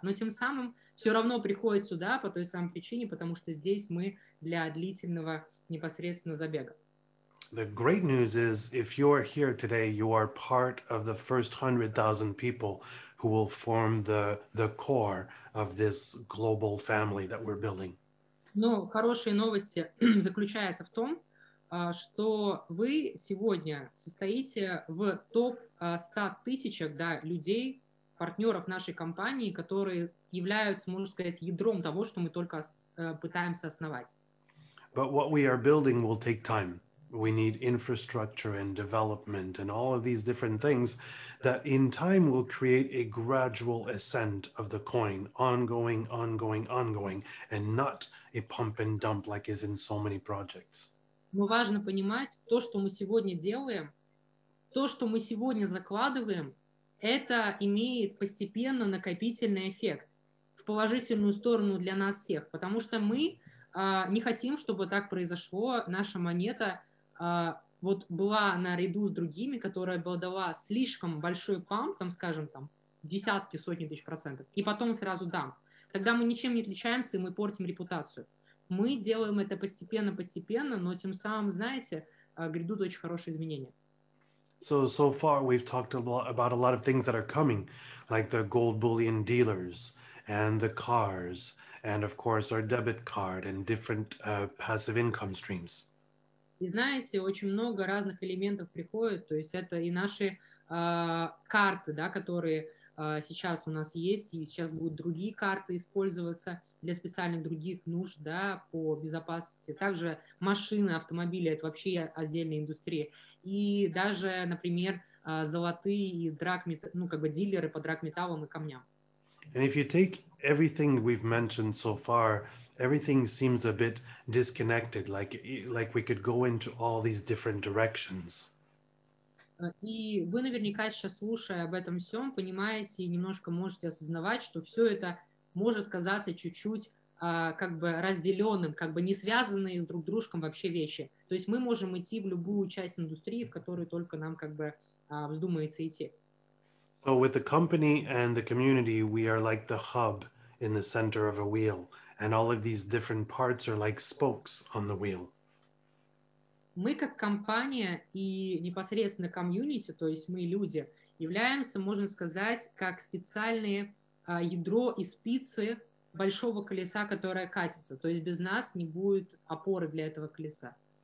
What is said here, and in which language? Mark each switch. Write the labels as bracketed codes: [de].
[ru] Но тем самым все равно приходят сюда по той самой причине, потому что здесь мы для длительного непосредственно забега. [en] The great news is, if you are here today, you are part of the first 100,000 people who will form the core of this global family that we're building. [ru] Но хорошие новости заключаются в том, что вы сегодня состоите в топ 100 тысячах, да, людей, партнеров нашей компании, которые являются, можно сказать, ядром того, что мы только пытаемся основать. [en] But what we are building will take time. We need infrastructure and development and all of these different things that in time will create a gradual ascent of the coin, ongoing, ongoing, ongoing, and not a pump and dump like is in so many projects. [ru] Но важно понимать, то, что мы сегодня делаем, то, что мы сегодня закладываем, это имеет постепенно накопительный эффект в положительную сторону для нас всех, потому что мы не хотим, чтобы так произошло, наша монета вот была наряду с другими, которая была дала слишком большой памп, там, скажем, там, десятки, сотни тысяч процентов, и потом сразу дамп. Тогда мы ничем не отличаемся, и мы портим репутацию. мы делаем это постепенно, но тем самым, знаете, грядут очень хорошие изменения. [en] So far we've talked about a lot of things that are coming, like the gold bullion dealers and the cars, and of course our debit card and different passive income streams. [ru] И знаете, очень много разных элементов приходит, то есть это и наши карты, да, которые сейчас у нас есть, и сейчас будут другие карты использоваться для специальных других нужд, да, по безопасности. Также машины, автомобили — это вообще отдельная индустрия. И даже, например, золотые и драгметаллы, ну, как бы дилеры по драгметаллам и камням. [en] And if you take everything we've mentioned so far, everything seems a bit disconnected, like we could go into all these different directions. [ru] И вы наверняка сейчас, слушая об этом всем, понимаете и немножко можете осознавать, что все это может казаться чуть-чуть как бы разделенным, как бы не связанные с друг дружком вообще вещи. То есть мы можем идти в любую часть индустрии, в которую только нам как бы вздумается идти. [en] So with the company and the community, we are like the hub in the center of a wheel, and all of these different parts are like spokes on the wheel. [ru] Мы как компания и непосредственно комьюнити, то есть мы люди, являемся, можно сказать, как специальные ядро и спицы большого колеса, которое катится. То есть без нас не будет опоры для этого колеса.